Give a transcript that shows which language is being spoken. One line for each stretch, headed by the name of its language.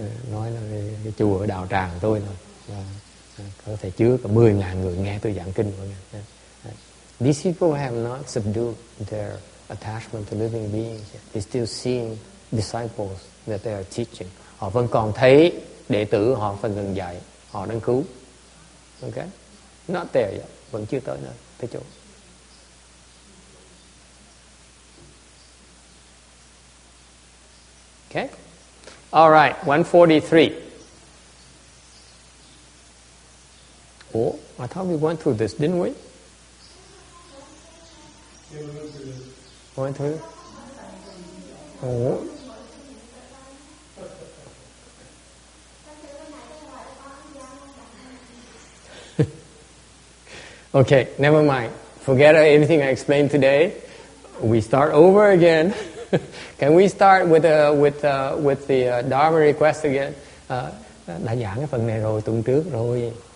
Vietnamese: Nói là cái chùa ở đạo tràng tôi là có thể chứa cả 10,000 người nghe tôi giảng kinh.
English: These people have not subdued their attachment to living beings yet. They're still seeing disciples that they are teaching.
Vietnamese: Họ vẫn còn thấy đệ tử họ phải ngừng dạy, họ đang cứu. Okay?
English: Not there yet.
Vietnamese: Vẫn chưa tới nơi, tới chỗ.
English: Okay? Alright, 143. Oh, I thought we went through this, didn't we? Went through? Oh. Okay, never mind. Forget everything I explained today. We start over again. Can we start with the Dharma request again?
Vietnamese: Đã giảng cái phần này rồi tuần trước rồi.